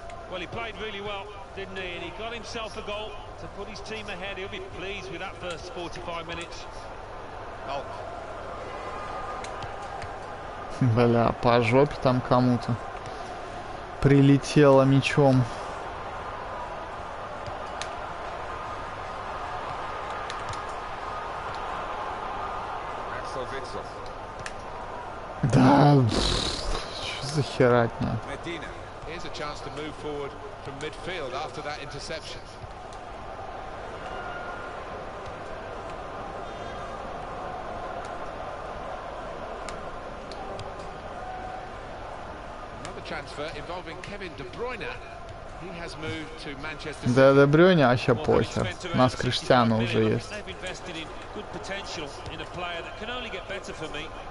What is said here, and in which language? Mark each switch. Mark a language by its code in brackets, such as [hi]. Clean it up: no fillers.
[en] Well, he played really well, didn't he? And he got himself a goal to put his team ahead. He'll be pleased with that first 45 minutes. Oh. [ru] Бля, по жопе там кому-то прилетело мячом. Axel Witzel. Да, что за херня? [en] Here's a chance to move forward from midfield after that interception. Another transfer involving Kevin De Bruyne. He has moved to Manchester City. [ru] Да, De Bruyne вообще похер. У нас Криштиану уже есть. [en] They've invested in good potential in a player that can only get better for me.